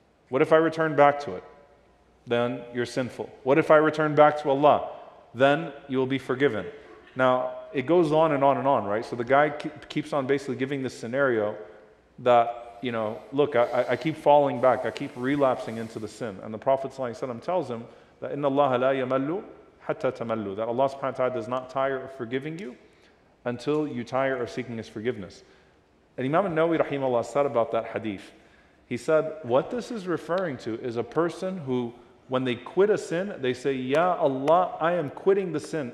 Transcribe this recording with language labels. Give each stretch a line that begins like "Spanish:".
English: What if I return back to it? Then you're sinful. What if I return back to Allah? Then you will be forgiven. Now, it goes on and on and on, right? So the guy keeps on basically giving this scenario that, you know, look, I keep falling back. I keep relapsing into the sin. And the Prophet ﷺ tells him that
Arabic: إِنَّ اللَّهَ لَا يَمَلُّ حَتَّى تَمَلُّ.
English: That Allah subhanahu wa ta'ala does not tire of forgiving you until you tire of seeking His forgiveness. And Imam An-Nawawi rahimahullah said about that hadith, he said, what this is referring to is a person who, when they quit a sin, they say, Ya Allah, I am quitting the sin.